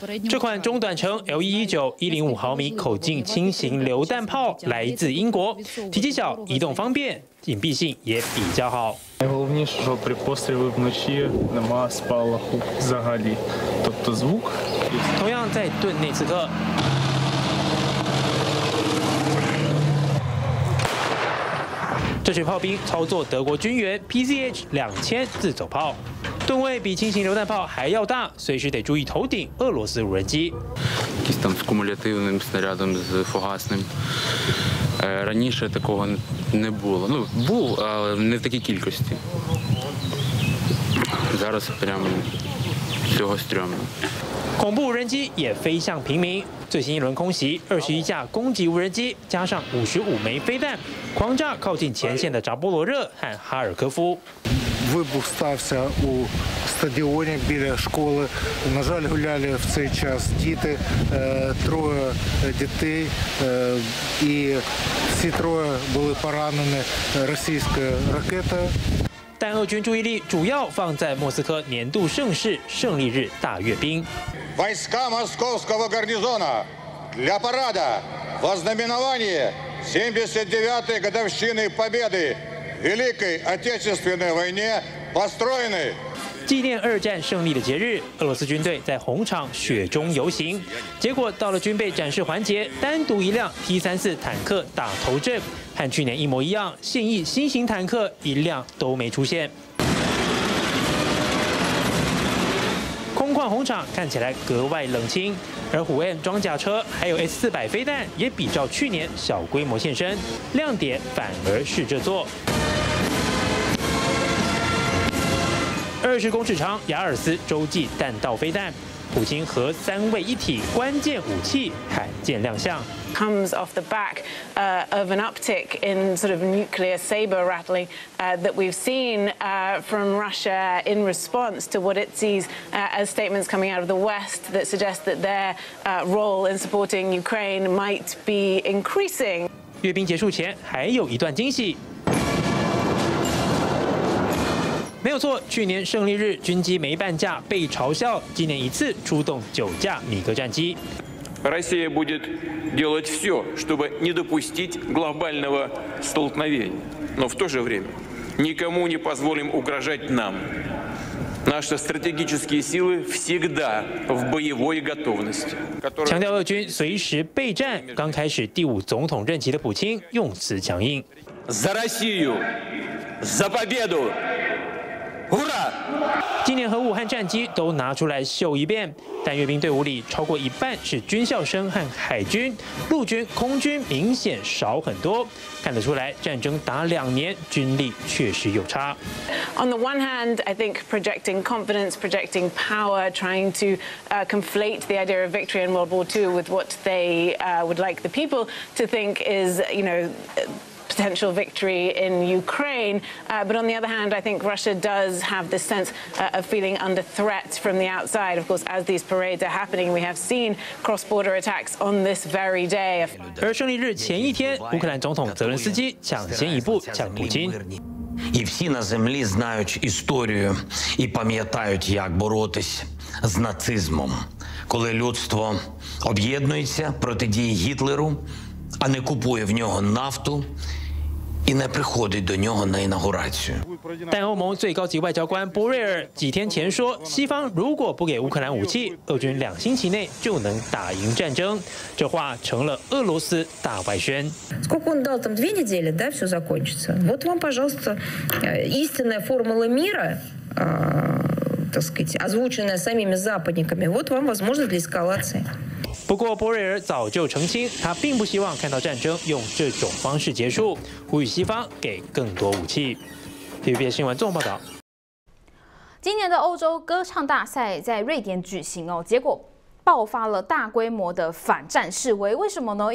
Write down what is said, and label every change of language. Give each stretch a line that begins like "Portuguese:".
Chinese: 这款中短程 LE19-105mm 口径轻型榴弹炮来自英国，体积小，移动方便，隐蔽性也比较好。
Ukrainian: Найголовніше, що при пострілі вночі нема спалаху взагалі, тобто звук.
Chinese: 同样在顿内茨克。这群炮兵操作德国军援 PZH-2000 自走炮，吨位比轻型榴弹炮还要大，随时得注意头顶俄罗斯无人机。
Ukrainian: якісь там з кумулятивним снарядом з фугасним. Раніше такого не було. Ну, був, але не в такій кількості. Зараз прямо цього стрьомно.
Chinese: 恐怖无人机也飞向平民。最新一轮空袭，21架攻击无人机加上55枚飞弹，狂炸靠近前线的扎波罗热和哈尔科夫。
Ukrainian: Вибух стався у стадіоні біля школи. На жаль, гуляли в цей час діти, троє дітей, і всі троє були поранені російською ракетою.
Chinese: 但俄军注意力主要放在莫斯科年度盛事胜利日大阅兵。
Russian: Войска московського гарнізону для параду в ознаменуванні 79-ї годовщини Победы в Великой Отечественной войне построены.
Chinese: 纪念二战胜利的节日，俄罗斯军队在红场雪中游行，结果到了军备展示环节，单独一辆 T-34 坦克打头阵，和去年一模一样，现役新型坦克一辆都没出现。空旷红场看起来格外冷清，而虎 M 装甲车还有 S-400 飞弹也比照去年小规模现身，亮点反而是这座。 20公尺长亚尔斯洲际弹道飞弹，普京和三位一体关键武器罕见亮相。
English: Comes off the back of an uptick in sort of nuclear saber rattling that we've seen from Russia in response to what it sees as statements coming out of the West that suggest that their role in supporting Ukraine might be increasing.
Chinese: 阅兵结束前还有一段惊喜。没有错，去年胜利日军机没半架被嘲笑，今年一次出动9架米格战机。
Russian: Россия будет делать все, чтобы не допустить глобального столкновения. Но в то же время никому не позволим угрожать нам. Наши стратегические силы всегда в боевой готовности.
Chinese: 强调俄军随时备战。刚开始第五总统任期的普京用词强硬。
Russian: За Россию! За победу!
Chinese: 今年核武和战机都拿出来秀一遍，但阅兵队伍里超过一半是军校生和海军，陆军、空军明显少很多，看得出来战争打2年，军力确实有差。
English: On the one hand, I think projecting confidence, projecting power, trying to conflate the idea of victory in World War II with what they would like the people to think is, you know. Potential victory in Ukraine, but on the other hand, I think Russia does have this sense of feeling under threat from the outside. Of course, as these parades are happening, we have seen cross-border attacks on this very day.
Chinese: 而胜利日前一天，乌克兰总统泽连斯基抢先一步抢普京。
Ukrainian: І всі на землі знають історію і пам'ятають, як боротись з нацизмом, коли людство об'єднується протидії Гітлеру. А не купує в нього нафту і не приходить до нього на інаугурацію.
Chinese: 但欧盟最高级外交官波瑞尔几天前说，西方如果不给乌克兰武器，俄军2星期内就能打赢战争。这话成了俄罗斯大外宣。
Russian: Сколько он дал там 2 недели, да, все закончится. Вот вам, пожалуйста, истинная формула мира, так сказать, озвученная самими западниками. Вот вам возможность для эскалации.
Chinese: 不过波瑞尔早就澄清，他并不希望看到战争用这种方式结束，呼吁西方给更多武器。 TVBS 新闻综合报道。今年的欧洲歌唱大赛在瑞典举行哦，结果爆发了大规模的反战示威，为什么呢？